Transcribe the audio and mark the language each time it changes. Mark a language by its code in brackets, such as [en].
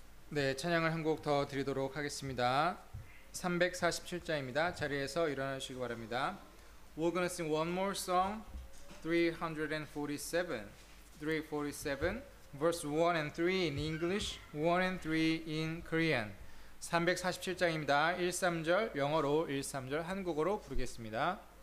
[ko] 네, 찬양을 한 곡 더 드리도록 하겠습니다. 347장입니다. 자리에서 일어나시기 바랍니다. [en] We're gonna sing one more song, 347, verse 1 and 3 in English, 1 and 3 in Korean. [ko] 347장입니다. 1-3절 영어로, 1-3절 한국어로 부르겠습니다.